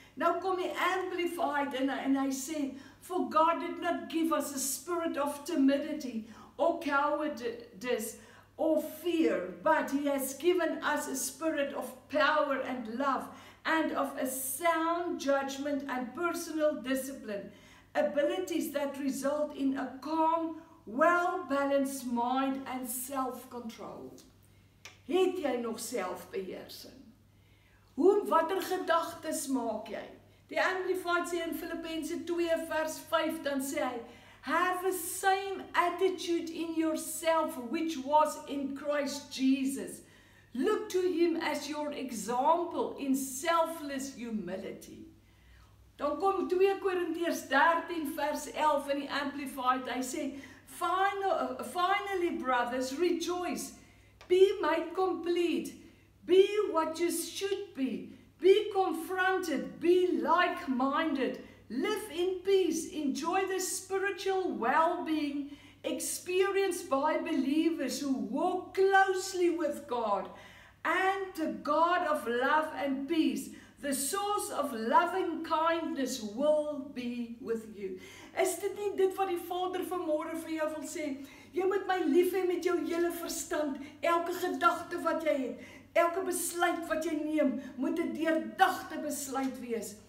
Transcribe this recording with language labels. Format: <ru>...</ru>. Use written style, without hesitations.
<af>Nou kom die Amplified in en hy sê,</af> <en>for God did not give us a spirit of timidity or cowardice or fear, but he has given us a spirit of power and love and of a sound judgment and personal discipline, abilities that result in a calm, well-balanced mind and self-control.</en> <af>Het jy nog selfbeheersing? Hoe, watter gedagtes maak jy? Die Amplified sê in Filippense 2 vers 5, dan sê hy,</af> <en>have the same attitude in yourself which was in Christ Jesus. Look to him as your example in selfless humility.</en> <af>Dan kom 2 Korintiërs 13 vers 11 in die Amplified, hy sê,</af> <en>finally brothers, rejoice. Be made complete, be what you should be confronted, be like-minded, live in peace, enjoy the spiritual well-being experienced by believers who walk closely with God and the God of love and peace. The source of loving kindness will be with you.</en> <af>Is dit nie dit wat die Vader vanmôre vir jou wil sê? Jy moet my lief hê met jou hele verstand, elke gedagte wat jy het, elke besluit wat jy neem, moet 'n deurdagte besluit wees.</af>